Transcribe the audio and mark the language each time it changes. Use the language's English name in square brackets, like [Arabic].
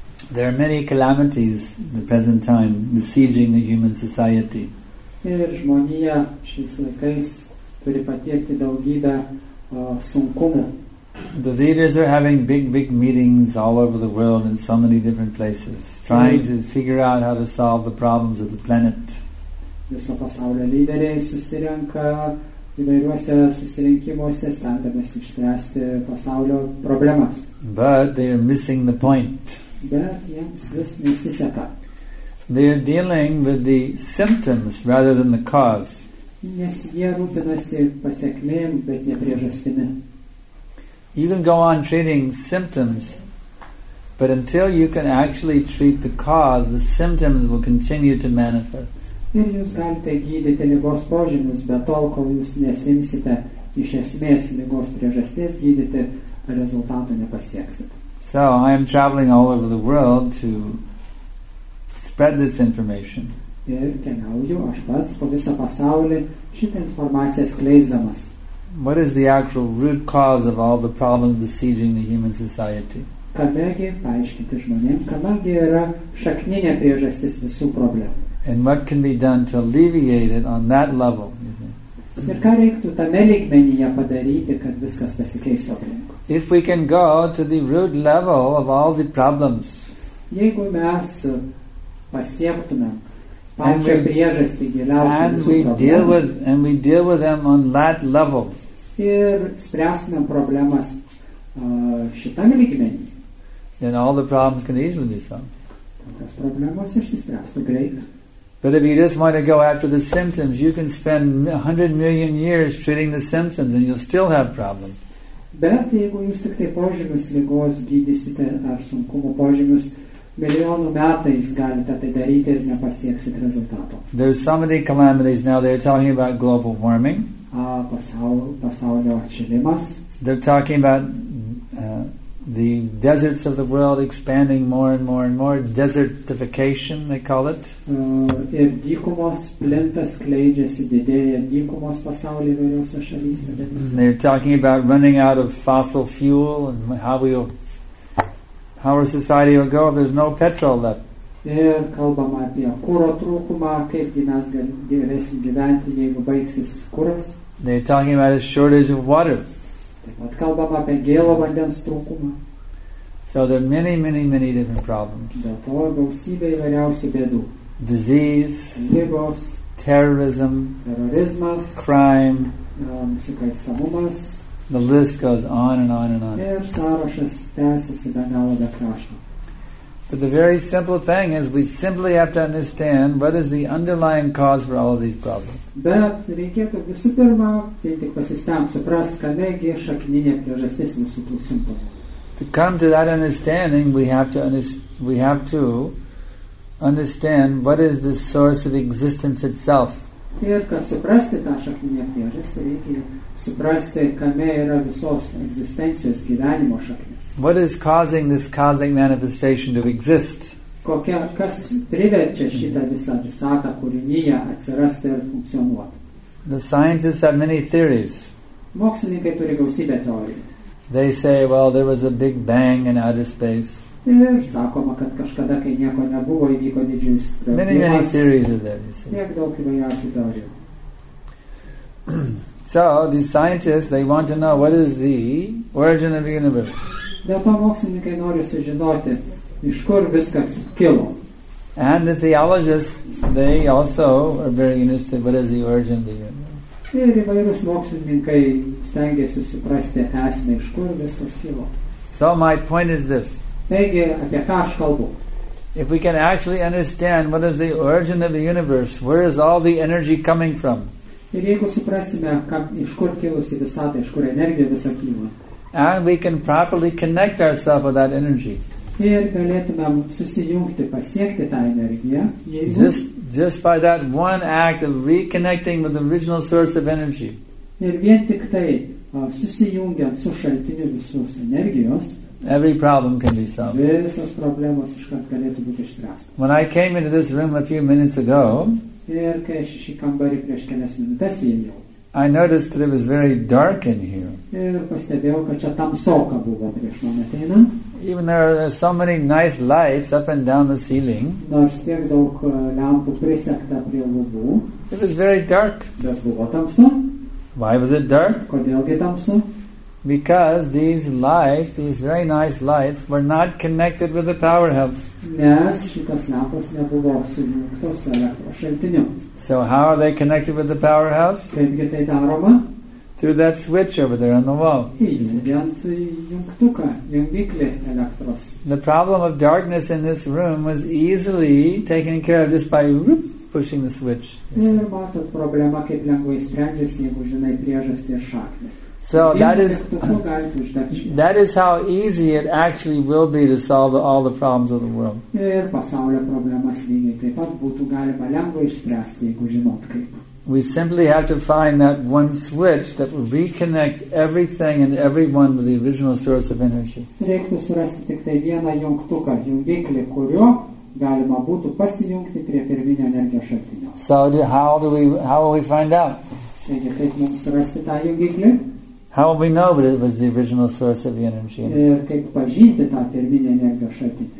[English] There are many calamities in the present time besieging the human society. [Lithuanian] Ir žmonija šiais laikais turi patirti daugybę sunkumų. [English] The leaders are having big meetings all over the world in so many different places, trying to figure out how to solve the problems of the planet. [Lithuanian] Viso pasaulio lyderiai susirenka įvairiuose susirinkimuose, stengdamiesi išspręsti pasaulio problemas. [English] But they are missing the point. [Lithuanian] Bet jiems vis nesiseka. [English] They are dealing with the symptoms rather than the cause. [Lithuanian] Nes jie rūpinasi pasekmėm, bet ne priežastimi. [English] You can go on treating symptoms, but until you can actually treat the cause, the symptoms will continue to manifest. [Lithuanian] Ir jūs galite gydyti ligos požymius, bet tol, kol jūs nesimsite iš esmės ligos priežasties gydyti, rezultatų nepasieksite. [English] So, I am traveling all over the world to spread this information. [Lithuanian] Ir keliauju aš pats po visą pasaulį šitą informaciją skleisdamas. [English] What is the actual root cause of all the problems besieging the human society? [Lithuanian] Kadangi, paaiškinti žmonėm, kadangi yra šakninė priežastis visų problemų. [English] And what can be done to alleviate it on that level? [Lithuanian] Ir ką reiktų tame lygmenyje padaryti, kad viskas pasikeistų aplink? [English] If we can go to the root level of all the problems, [Lithuanian] jeigu mes pasiektume pačią priežastį giliausią visų problemų, [English] and we deal with them on that level, [Lithuanian] ir spręstume problemas šitame lygmenyje, [English] then all the problems can easily be solved. [Lithuanian] Tokios problemos išsispręstų greit. [English] But if you just want to go after the symptoms, you can spend 100 million years treating the symptoms and you'll still have problems. [Lithuanian] Bet jeigu jūs tik tai požymius lygos gydysite ar sunkumo požymius, milijonų metais galite tai daryti ir nepasieksite rezultato. [English] There's so many calamities now. They're talking about global warming. [Lithuanian] pasaulio atšilimas. [English] They're talking about the deserts of the world expanding more and more and more. Desertification, they call it. [Lithuanian] Ir dykumos plinta, skleidžiasi, didėja dykumos pasaulyje įvairiose šalyse. [English] They're talking about running out of fossil fuel and how our society will go if there's no petrol left. [Lithuanian] Ir kalbama apie kuro trūkumą, kaipgi mes galėsim gyventi, jeigu baigsis kuras. [English] They're talking about a shortage of water. [Lithuanian] Bet kalbama apie gėlo vandens trūkumą. [English] So there are many, many, many different problems. [Lithuanian] Dėl to gausybė įvairiausių bėdų. [English] Disease. [Lithuanian] Ligos. [English] Terrorism. [Lithuanian] Terrorizmas. [English] Crime. [Lithuanian] Nusikalstamumas. [English] The list goes on and on and on. [Lithuanian] Ir sąrašas tęsiasi be galo be krašto. [English] But the very simple thing is we simply have to understand what is the underlying cause for all of these problems. [Lithuanian] Bet reikėtų visų pirma, tai tik pasistengt suprast, kamegi šakninė priežastis visų tų simptomų. [English] To come to that understanding, we have to understand what is the source of existence itself. [Lithuanian] Ir kad suprasti tą šakninę priežastį, reikia suprasti, kame yra visos egzistencijos gyvenimo šaknis. [English] What is causing this causing manifestation to exist? [Lithuanian] Kokia, kas priverčia šitą visą visatą kūrinyje atsirasti ir funkcionuoti? [English] The scientists have many theories. [Lithuanian] Mokslininkai turi gausybę teorijų. [English] They say, well, there was a big bang in outer space. [Lithuanian] Ir sakoma, kad kažkada, kai nieko nebuvo, įvyko didžiulis sprogimas. [English] Many, many theories are there, you see. [Lithuanian] Tiek daug įvairiausių teorijų. [English] So, these scientists, they want to know what is the origin of the universe. [Lithuanian] Dėl to mokslininkai nori sužinoti, iš kur viskas kilo. [English] And the theologists, they also are very interested, what is the origin of the universe. [Lithuanian] Ir įvairūs mokslininkai stengiasi suprasti esmę, iš kur viskas kilo. [English] So, my point is this. [Lithuanian] Taigi, apie ką aš kalbu. [English] If we can actually understand what is the origin of the universe, where is all the energy coming from? [Lithuanian] Ir jeigu suprasime, iš kur kilusi visata, iš kur energija visa kyla. [English] And we can properly connect ourselves with that energy. [Lithuanian] Ir galėtumėm susijungti, pasiekti tą energiją. [English] Just by that one act of reconnecting with the original source of energy. [Lithuanian] Ir vien tik tai susijungiant su šaltiniu visos energijos. [English] Every problem can be solved. [Lithuanian] Visos problemos iškart galėtų būti išspręstos. [English] When I came into this room a few minutes ago, [Lithuanian] ir kai aš šį kambarį prieš kelias minutes įėjau, [English] I noticed that it was very dark in here. [Lithuanian] Ir pastebėjau, kad čia tamsoka buvo prieš man ateinant. [English] Even though there are so many nice lights up and down the ceiling, [Lithuanian] nors tiek daug lampų prisegta prie lubų, [English] it was very dark. [Lithuanian] Bet buvo tamsu. [English] Why was it dark? [Lithuanian] Kodėlgi tamsu? [English] Because these very nice lights were not connected with the power hub. [Lithuanian] Nes šitos lampos nebuvo sujungtos su elektros šaltiniu. [English] So how are they connected with the powerhouse? [Lithuanian] Kaipgi tai daroma? [English] Through that switch over there on the wall. [Lithuanian] Įjungiant jungtuką, jungiklį elektros. [English] The problem of darkness in this room was easily taken care of just by pushing the switch. [Lithuanian] Ir matot problema, kaip lengvai sprendžiasi, jeigu žinai priežastį ir šaknį. [English] So that is how easy it actually will be to solve all the problems of the world. [Lithuanian] Ir pasaulio problemas lygiai taip pat būtų galima lengvai išspręsti, jeigu žinot kaip. [English] We simply have to find that one switch that will reconnect everything and everyone with the original source of energy. [Lithuanian] Reiktų surasti tik tai vieną jungtuką, jungiklį, kurio galima būtų pasijungti prie pirminio energijos šaltinio. [English] So how will we find out? [Lithuanian] Taigi, kaip mums surasti tą jungiklį? [English] How will we know that it was the original source of the energy? [Lithuanian] Ir kaip pažinti tą pirminę energijos šaltinį?